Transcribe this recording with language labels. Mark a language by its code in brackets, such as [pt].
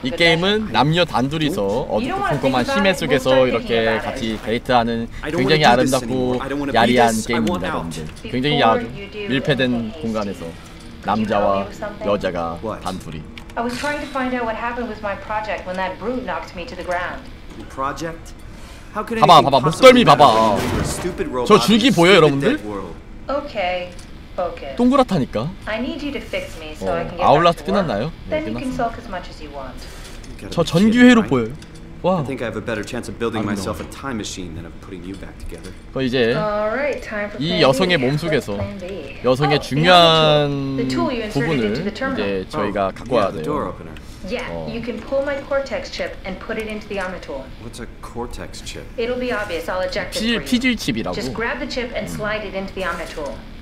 [ko] 그래서 이제 이 게임은 남녀 단둘이서 어둡고 컴컴한 심해 속에서 이렇게 같이 데이트하는 굉장히 아름답고 야리한 게임입니다, 여러분들. 굉장히 야, 밀폐된 공간에서 남자와 여자가 단둘이. [en] I was trying to find out what happened with my project when that brute knocked me to the ground. Project? How could anything possibly happen? [ko] 목덜미 봐봐. 저 줄기 보여 여러분들? [en] Okay, focus. [ko] 동그랗다니까. [en] I need you to fix me so I can get back to work. [ko] 아울라스 끝났나요? [en] Then you can sulk as much as you want. [ko] 저 전기회로 보여요. 와. [en] I think I have a better chance of building myself a time machine than of putting you back together. [ko] 그 이제 이 여성의 몸 속에서 여성의 중요한 부분을 이제 저희가 갖고 와야 돼요. [en] Yeah, you can pull my cortex chip and put it into the armature. What's a cortex chip? It'll be obvious. I'll eject it. [ko] 피질 칩이라고. [en] Just grab the chip and slide it into the armature.